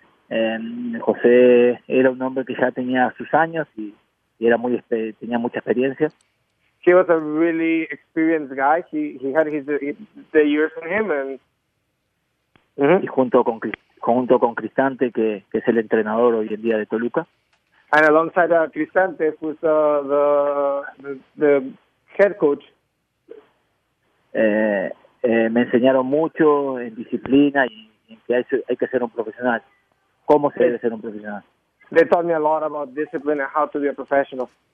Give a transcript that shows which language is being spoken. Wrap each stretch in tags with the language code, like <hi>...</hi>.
<es>José era un hombre que ya tenía sus años y y era muy, tenía mucha experiencia.</es> <en>He was a really experienced guy. He had his the years in him and</en> <es>Y junto con Cristante que es el entrenador hoy en día de Toluca.</es> <en>And alongside Cristante, who's the head coach.</en> <es>Me enseñaron mucho en disciplina y en que hay que ser un profesional. ¿Cómo se debe ser un profesional?</es> <en>They taught me a lot about discipline and how to be a professional.</en>